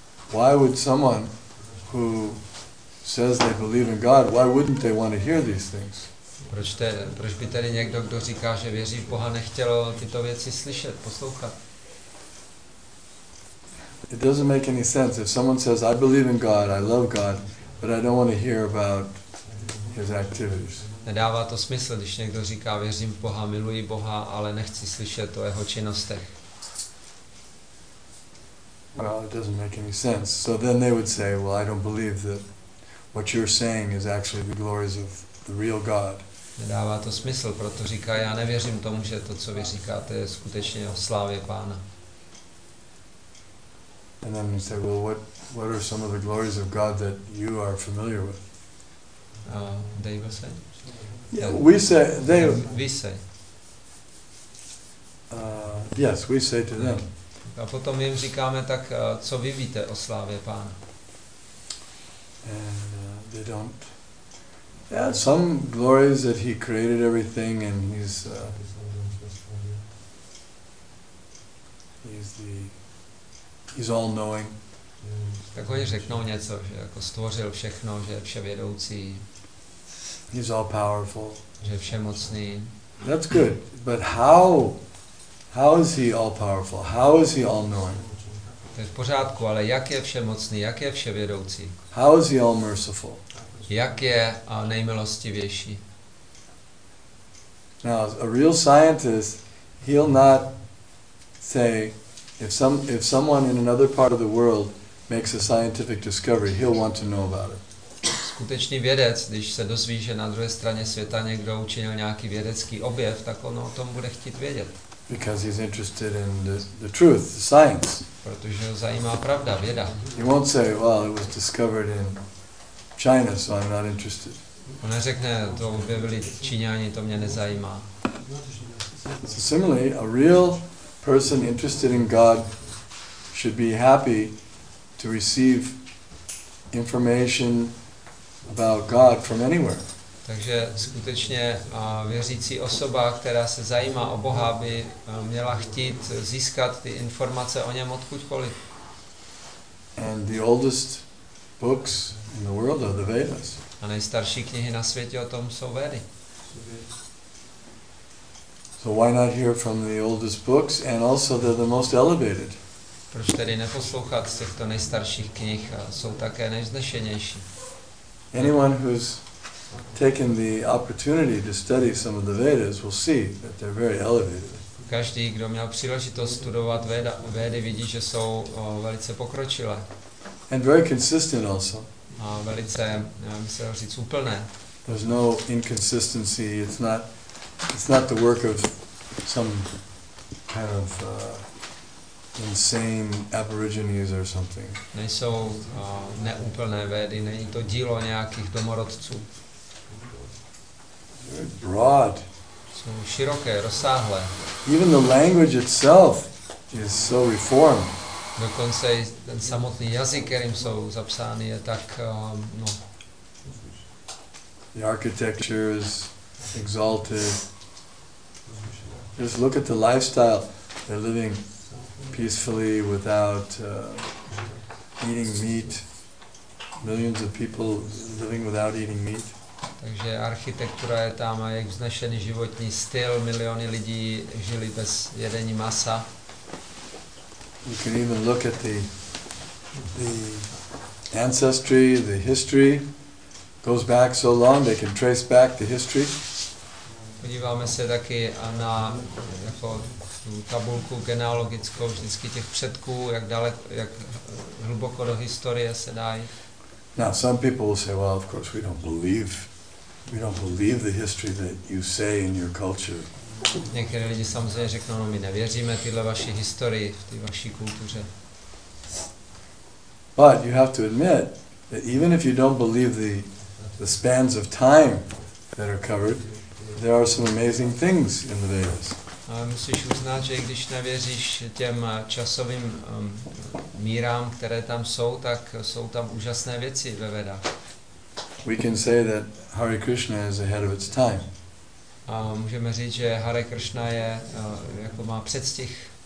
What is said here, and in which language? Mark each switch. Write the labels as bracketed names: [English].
[English] Why would someone who says they believe in God, why wouldn't they want to hear these things? [Czech] Proč by tedy někdo, kdo říká, že věří v Boha, nechtělo tyto věci slyšet, poslouchat? [English] It doesn't make any sense if someone says I believe in God, I love God, but I don't want to hear about his activities. [Czech] Nedává to smysl, když někdo říká, věřím v Boha, miluji Boha, ale nechci slyšet o jeho činnostech. [English] Well, it doesn't make any sense. So then they would say, well, I don't believe that what you're saying is actually the glories of the real God. [Czech] Nedává to smysl, proto říká, já nevěřím tomu, že to, co vy říkáte, je skutečně o slávě Pána. [English] And then they say, well, what are some of the glories of God that you are familiar with? They will say. Yeah, we say, they... We say. Yes, we say to them. [Czech] A potom jim říkáme, tak co vy víte o slávě Pána? [English] And they don't. Yeah, some glories that he created everything and he's all knowing. [Czech] Tak oni řeknou něco, že jako stvořil všechno, že je vševědoucí. [English] He's all powerful. [Czech] Že je všemocný. [English] That's good, but how is he all powerful? How is he all knowing? [Czech] To je v pořádku, ale jak je všemocný, jak je vševědoucí? [English] How is he all merciful? [Czech] Jak je a nejmilostivější? [English] Now, a real scientist, he'll not say if someone in another part of the world makes a scientific discovery, he'll want to know about it. [Czech] Skutečný vědec, když se dozví, že na druhé straně světa někdo učinil nějaký vědecký objev, tak on o tom bude chtít vědět. [English] Because he's interested in the truth, the science. [Czech] Protože ho zajímá pravda, věda. [English] He won't say, well, it was discovered in China, so I'm not interested. [Czech] On neřekne, to objevili Číňani, to mě nezajímá. [English] So similarly, a real person interested in God should be happy to receive information about God from anywhere. [Czech] Takže skutečně věřící osoba, která se zajímá o Boha, by měla chtít získat ty informace o něm odkudkoliv. [English] And the oldest books in the world are the Vedas. [Czech] A nejstarší knihy na světě o tom jsou Vedy. [English] So why not hear from the oldest books, and also they're the most elevated. [Czech] Proč tedy neposlouchat z těchto nejstarších knih, jsou také nejvznešenější. [English] Anyone who's taken the opportunity to study some of the Vedas will see that they're very elevated. [Czech] Každý, kdo měl příležitost studovat Vedy, vidí, že jsou velice pokročilé. [English] And very consistent also. [Czech] A velice, nevím, se říct, úplné. [English] There's no inconsistency. It's not the work of some kind of insane aborigines or something. [Czech] Nejsou neúplné Vedy, není to dílo nějakých domorodců. [English] Very broad. [Czech] Jsou široké, rozsáhlé. [English] Even the language itself is so reformed. [Czech] Dokonce i ten samotný jazyk, kterým jsou zapsány, je tak, no. [English] The architecture is exalted. Just look at the lifestyle. They're living peacefully without eating meat. Millions of people living without eating meat. [Czech] Takže architektura je tam a jak vznešený životní styl, miliony lidí žili bez jedení masa. [English] You can even look at the ancestry, the history. Goes back so long they can trace back the history. [Czech] Podíváme se taky na jako tu tabulku genealogickou vždycky těch předků, jak daleko, jak hluboko do historie se dá. [English] Now some people will say, well, of course we don't believe the history that you say in your culture. [Czech] Někteří lidi samozřejmě řeknou, no, my nevěříme tyhle vaší historii v té vaší kultuře. [English] But you have to admit that even if you don't believe the spans of time that are covered, there are some amazing things in the Vedas. [Czech] Musíš uznat, že když nevěříš těm časovým mírám, které tam jsou, tak jsou tam úžasné věci ve Vedách. [English] We can say that Hare Krishna is ahead of its time. [Czech] A můžeme říct, že Hare Krishna je jako má předstih.